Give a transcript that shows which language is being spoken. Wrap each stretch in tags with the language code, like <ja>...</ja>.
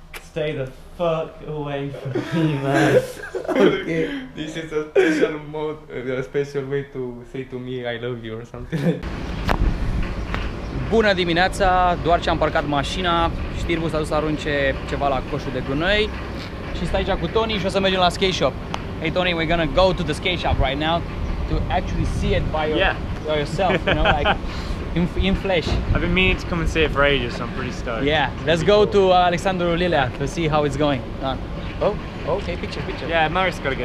<en>Stay the fuck away from me, man. Okay. This is a special mode, a special way to say to me I love you or something.</en> <ro>Bună dimineața, doar ce am parcat mașina, Știrbu s-a dus să arunce ceva la coșul de gunoi și stai aici cu Tony și o să mergem la skate shop.</ro> <en>Hey Tony, we're gonna go to the skate shop right now to actually see it by, your, yeah. by yourself, you know, like in flesh. I've been meaning to come and see it for ages, so I'm pretty stoked. Yeah, let's go to Alexandru Lilea to see how it's going. Oh, okay, picture. Yeah, Marius gotta get</en>